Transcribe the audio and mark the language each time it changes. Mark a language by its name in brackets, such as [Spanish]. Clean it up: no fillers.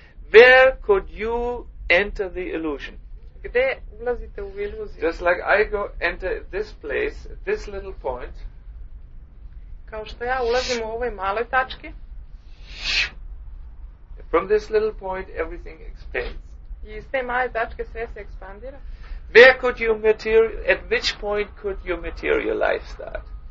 [English] Where could you enter the illusion? [Serbian] Gde ulazite u iluziju? [English] Just like I go enter this place, this little point. [Serbian] Kao što ja ulazim u ovoj maloj tački. [English] From this little point, everything expands. [Serbian] I iz te male tačke sve se ekspandira. [English] Where could you at which point could your material life start?